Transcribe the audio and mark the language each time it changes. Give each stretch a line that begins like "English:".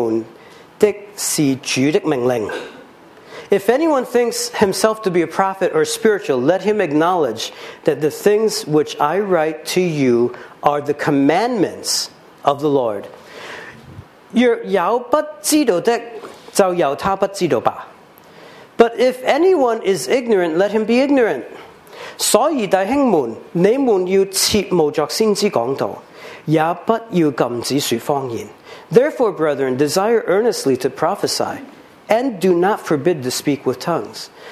Chinese: 若有人以为自己是先知或是属灵的，就该知道我所写给你们的是主的命令。
English: If anyone thinks himself to be a prophet or spiritual, let him acknowledge that the things which I write to you are the commandments of the Lord.
Chinese: 若有不知道的，就由他不知道吧。
English: But if anyone is ignorant, let him be ignorant.
Chinese: 所以弟兄们，你们要切莫作先知讲道，也不要禁止说方言。
English: Therefore, brethren, desire earnestly to prophesy. And do not forbid to speak with tongues.